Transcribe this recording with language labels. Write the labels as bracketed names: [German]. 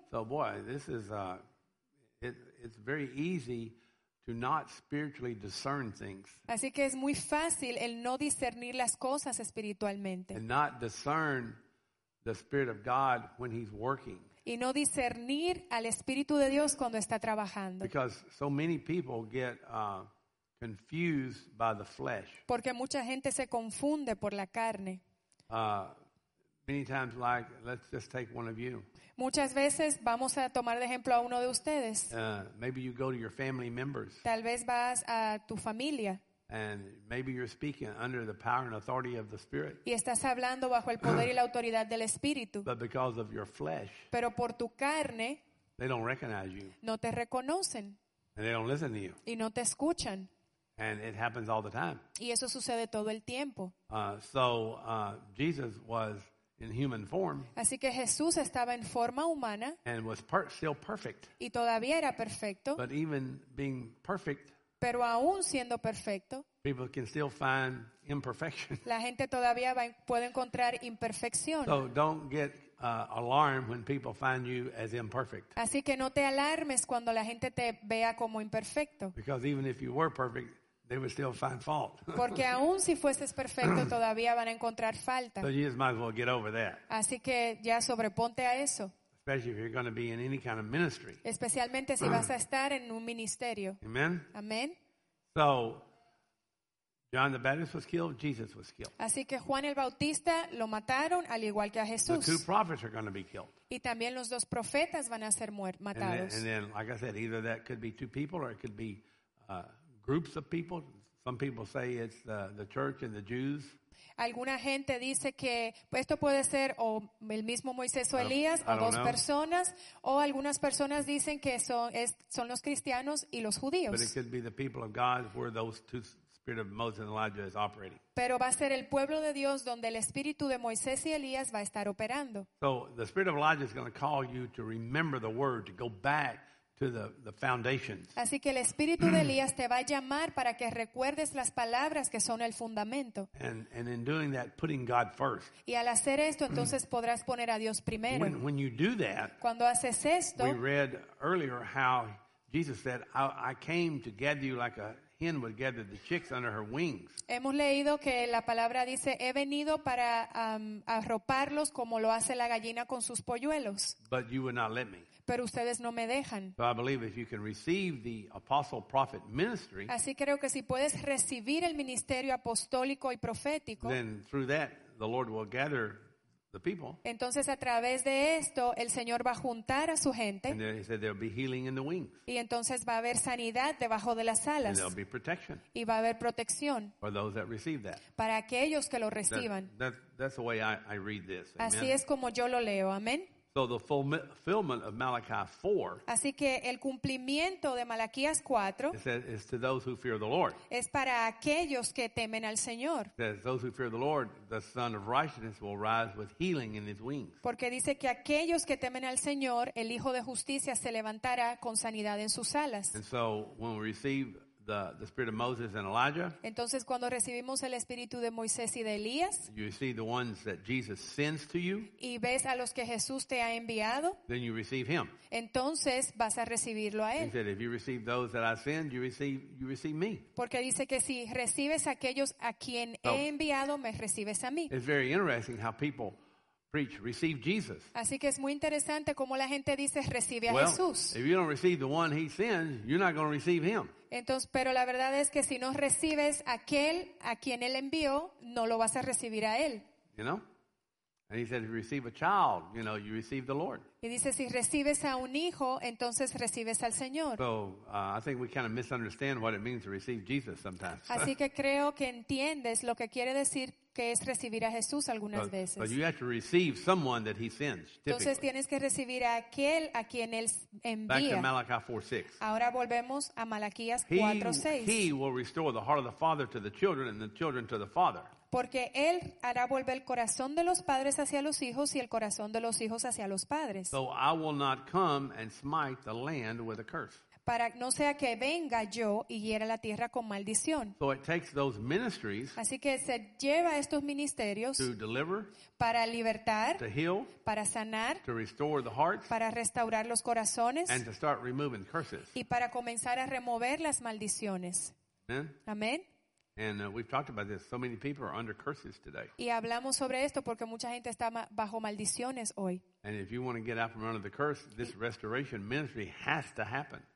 [English] So boy, this is it's very easy to not spiritually discern things. [Spanish] Así que es muy fácil el no discernir las cosas espiritualmente. [English] And not discern the spirit of God when he's working. [Spanish] Y no discernir al Espíritu de Dios cuando está trabajando. [English] Because so many people get confused by the flesh. [Spanish] Porque mucha gente se confunde por la carne. [English] Many times, like, let's just take one of you. [Spanish] Muchas veces vamos a tomar de ejemplo a uno de ustedes. [English] Maybe you go to your family members. [Spanish] Tal vez vas a tu familia. [English] And maybe you're speaking under the power and authority of the Spirit. [Spanish] Y estás hablando bajo el poder y la autoridad del Espíritu. [English] But because of your flesh. [Spanish] Pero por tu carne. [English] They don't recognize you. [Spanish] No te reconocen. [English] And they don't listen to you. [Spanish] Y no te escuchan. [English] And it happens all the time. [Spanish] Y eso sucede todo el tiempo. [English] So Jesus was in human form. [Spanish] Así que Jesús estaba en forma humana. [English] And was still perfect. [Spanish] Y todavía era perfecto. [English] But even being perfect. [Spanish] Pero aún siendo perfecto, [English] people can still find imperfection. [Spanish] La gente todavía puede encontrar imperfección. [English] So don't get alarmed when people find you as imperfect. [Spanish] Así que no te alarmes cuando la gente te vea como imperfecto. [English] Because even if you were perfect, they would still find fault. [Spanish] Porque aún si fueses perfecto, todavía van a encontrar falta. [English] So you just might as well get over that. [Spanish] Así que ya sobreponte a eso. [English] Especially if you're going to be in any kind of ministry. [Spanish] Especialmente si vas a estar en un ministerio. [English] Amen. [Spanish] Amen. [English] So, John the Baptist was killed. Jesus was killed. [Spanish] Así que Juan el Bautista lo mataron al igual que a Jesús. [English] The two prophets are going to be killed. [Spanish] Y también los dos profetas van a ser matados. [English] And then, like I said, either that could be two people or it could be groups of people. Some people say it's the church and the Jews. [Spanish] Alguna gente dice que esto puede ser o el mismo Moisés o Elías o dos personas, o algunas personas dicen que son los cristianos y los judíos. Pero va a ser el pueblo de Dios donde el espíritu de Moisés y Elías va a estar operando. [English] So the spirit of Elijah is going to call you to remember the word, to go back to the foundations. [Spanish] Así que el espíritu de Elías te va a llamar para que recuerdes las palabras que son el fundamento. [English] And in doing that, putting God first. [Spanish] Y al hacer esto, entonces podrás poner a Dios primero. [English] When you do that, [Spanish] cuando haces esto, [English] we read earlier how Jesus said, I came to gather you like a hen would gather the chicks under her wings. [Spanish] Hemos leído que la palabra dice, he venido para arroparlos como lo hace la gallina con sus polluelos. [English] But you would not let me. [Spanish] Pero ustedes no me dejan. [English] So I believe if you can receive the apostle prophet ministry, [Spanish] así creo que si puedes recibir el ministerio apostólico y profético, [English] then through that the Lord will gather the people. [Spanish] Entonces a través de esto el Señor va a juntar a su gente. [English] And then he said there'll be healing in the wings. [Spanish] Y entonces va a haber sanidad debajo de las alas. [English] And there'll be protection. [Spanish] Y va a haber protección. [English] For those that receive that. [Spanish] Para aquellos que lo reciban. [English] That's the way I read this. Amen. [Spanish] Así es como yo lo leo. Amén. [English] So the fulfillment of Malachi 4. [Spanish] Así que el cumplimiento de Malaquías 4. [English] It says it's to those who fear the Lord. [Spanish] Es para aquellos que temen al Señor. [English] It says those who fear the Lord, the Son of Righteousness will rise with healing in his wings. [Spanish] Porque dice que aquellos que temen al Señor, el Hijo de Justicia se levantará con sanidad en sus alas. [English] And so when we receive the spirit of Moses and Elijah. [Spanish] Entonces cuando recibimos el espíritu de Moisés y de Elías, [English] you see the ones that Jesus sends to you. [Spanish] Y ves a los que Jesús te ha enviado. [English] Then you receive him. [Spanish] Entonces vas a recibirlo a él. [English] He said, if you receive those that I send, you receive me. [Spanish] Porque dice que si recibes a aquellos a quien he enviado, me recibes a mí. [English] It's very interesting how people preach, receive Jesus. [Spanish] Así que es muy interesante cómo la gente dice recibe a [English] well, [Spanish] Jesús. [English] If you don't receive the one he sends, you're not going to receive him. [Spanish] Entonces, pero la verdad es que si no recibes aquel a quien él envió, no lo vas a recibir a él. [English] You know? And he said, if you receive a child, you know, you receive the Lord. [Spanish] Y dice, si recibes a un hijo, entonces recibes al Señor. [English] So I think we kind of misunderstand what it means to receive Jesus sometimes. [Spanish] Así que creo que entiendes lo que quiere decir que es recibir a Jesús algunas veces. [English] But you have to receive someone that he sends, typically. [Spanish] Entonces tienes que recibir a aquel a quien él envía. [English] Back to Malachi 4:6. [Spanish] Ahora volvemos a Malaquías 4:6. [English] He will restore the heart of the father to the children and the children to the father. [Spanish] Porque él hará volver el corazón de los padres hacia los hijos y el corazón de los hijos hacia los padres. [English] So I will not come and smite the land with a curse. [Spanish] Para no sea que venga yo y hiera la tierra con maldición. [English] So it takes those ministries. [Spanish] Así que se lleva estos ministerios. [English] To deliver. [Spanish] Para libertar. [English] To heal. [Spanish] Para sanar. [English] To restore the hearts. [Spanish] Para restaurar los corazones. [English] And to start removing curses. [Spanish] Y para comenzar a remover las maldiciones. [English] Amen. [Spanish] Amén. [English] And we've talked about this. So many people are under curses today. [Spanish] Y hablamos sobre esto porque mucha gente está bajo maldiciones hoy. [English] And if you want to get out from under the curse, this restoration ministry has to happen.